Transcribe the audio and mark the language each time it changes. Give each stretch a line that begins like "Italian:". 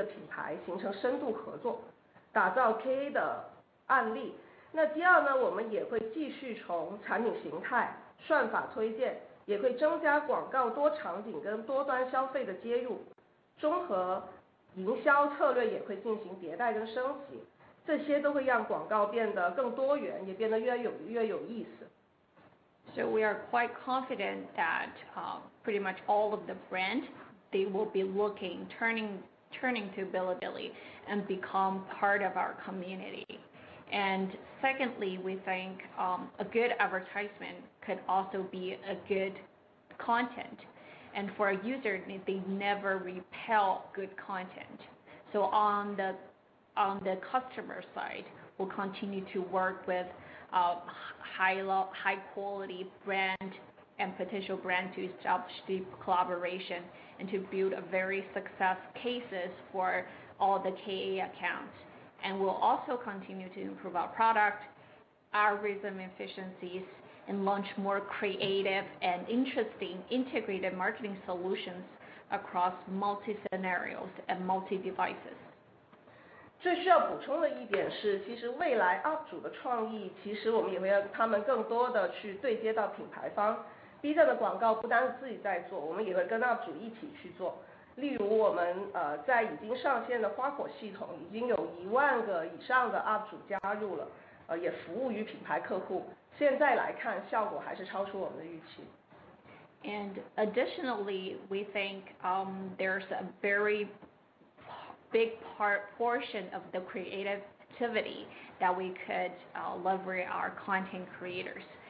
Chinese: 我们会优先着去选择更多优质的品牌跟潜力的品牌形成深度合作，打造 KA 的案例。那第二呢，我们也会继续从产品形态、算法推荐，也会增加广告多场景跟多端消费的接入，综合营销策略也会进行迭代跟升级，这些都会让广告变得更多元，也变得越有意思。
English: So we are quite confident that pretty much all of the brand, they will be looking, turning to Bilibili and become part of our community. And secondly, we think a good advertisement could also be a good content. And for a user, they never repel good content. So on the customer side, we'll continue to work with high quality brand and potential brand to establish deep collaboration and to build a very success cases for all the KA accounts. And we'll also continue to improve our product, algorithm efficiencies, and launch more creative and interesting integrated marketing solutions across multi scenarios and multi devices.
Chinese: 最需要补充的一点是，其实未来 UP 主的创意，其实我们也会让他们更多的去对接到品牌方。 B 站的广告不单是自己在做，我们也会跟 UP 主一起去做。例如，我们在已经上线的花火系统，已经有10000个以上的 UP 主加入了，也服务于品牌客户。现在来看，效果还是超出我们的预期。
English: And additionally, we think there's a very big portion of the creativity that we could leverage our content creators.